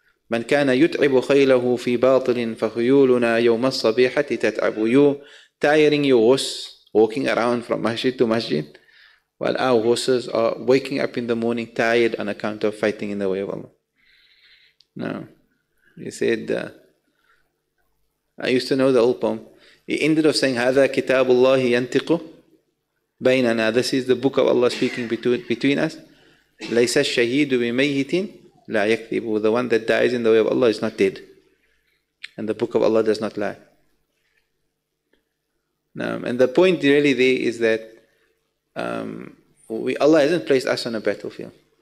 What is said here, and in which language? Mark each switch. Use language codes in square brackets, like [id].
[ar] من كان يتعب خيله في باطل فخيولنا يوم الصبيحة تتعب. [en] You tiring your horse, walking around from masjid to masjid, while our horses are waking up in the morning tired on account of fighting in the way of Allah. Now, he said, I used to know the old poem. He ended up saying, [ar] هذا كتاب الله ينطق بيننا. [en] This is the book of Allah speaking between us. [ar] ليس الشهيد بميت. لا يكذب. [en] The one that dies in the way of Allah is not dead. And the book of Allah does not lie. Now, and the point really there is that Allah hasn't placed us on a battlefield.